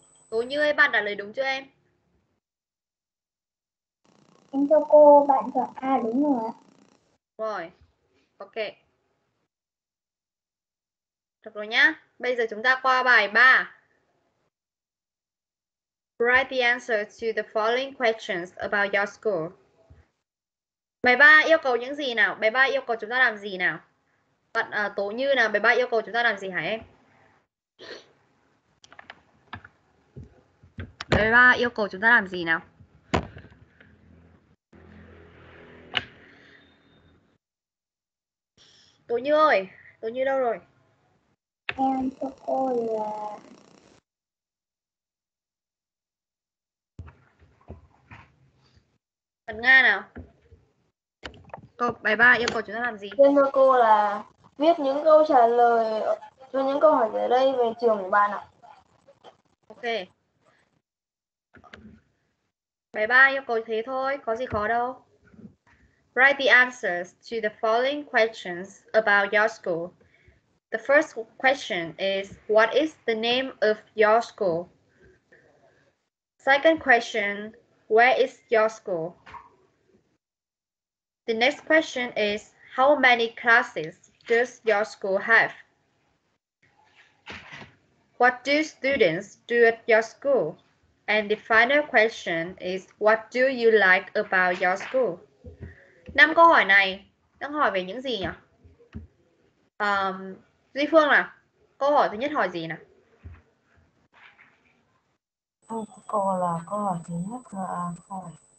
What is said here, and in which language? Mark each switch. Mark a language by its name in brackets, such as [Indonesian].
[Vietnamese] Tố Như ơi, bạn trả lời đúng chưa em? Em cho cô, bạn chọn A đúng rồi ạ. Rồi, ok. Được rồi nhá, bây giờ chúng ta qua bài 3. [English] Write the answer to the following questions about your school. [Vietnamese] Bài 3 yêu cầu những gì nào? Bài 3 yêu cầu chúng ta làm gì nào? Bạn Tố Như nào, bài 3 yêu cầu chúng ta làm gì hả em? Bài 3 yêu cầu chúng ta làm gì nào? Tố Như ơi, Tố Như đâu rồi? Em cho cô là... Bạn Nga nào? Câu bài 3 yêu cầu chúng ta làm gì? Em cho cô là viết những câu trả lời cho những câu hỏi dưới đây về trường của bạn ạ. Ok. Bài 3 yêu cầu thế thôi, có gì khó đâu. [English] Write the answers to the following questions about your school. The first question is, what is the name of your school? Second question, where is your school? The next question is, how many classes does your school have? What do students do at your school? And the final question is, what do you like about your school? [Vietnamese] 5 câu hỏi này đang hỏi về những gì nhỉ? Duy Phương à, câu hỏi thứ nhất hỏi gì nào? Cô là câu hỏi thứ nhất là hỏi